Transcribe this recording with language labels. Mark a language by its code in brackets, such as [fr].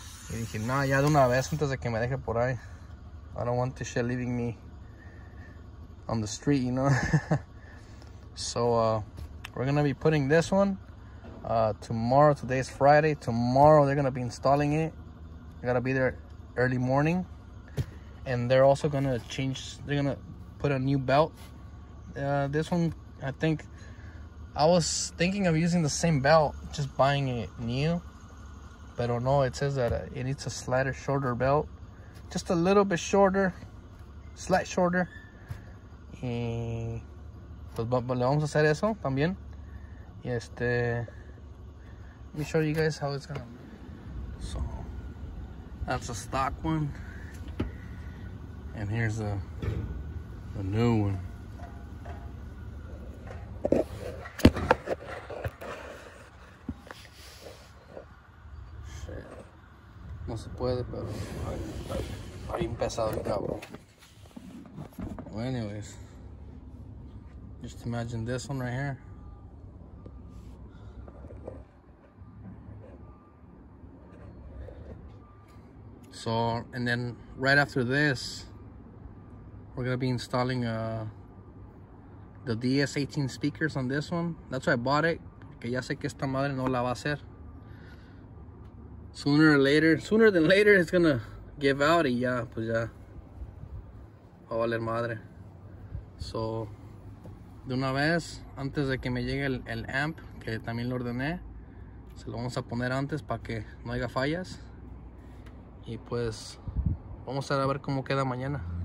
[es] Y dije, nah, ya de una vez antes de que me deje por ahí. [en] I don't want this shit leaving me on the street, you know. So we're gonna be putting this one tomorrow. Today's Friday. Tomorrow they're gonna be installing it. I gotta be there early morning. And they're also gonna change, they're gonna put a new belt. This one, I think, I was thinking of using the same belt, just buying it new. But I don't know, it says that it needs a slightly shorter belt. Just a little bit shorter, slight shorter. [es] Y pues le vamos a hacer eso también. [en] Y let me show you guys how it's gonna be. So, that's a stock one. And here's the new one. [es] Shit. No se puede, pero está bien pesado el cabo. [en] Well, anyways, just imagine this one right here. So, and then right after this, we're gonna be installing the DS18 speakers on this one. That's why I bought it. [es] Porque ya sé que esta madre no la va a hacer. [en] Sooner or later, sooner than later, it's gonna give out. [es] Y ya, pues ya. Va a valer madre. So, de una vez, antes de que me llegue el amp, que también lo ordené, se lo vamos a poner antes para que no haya fallas. Y pues, vamos a ver cómo queda mañana.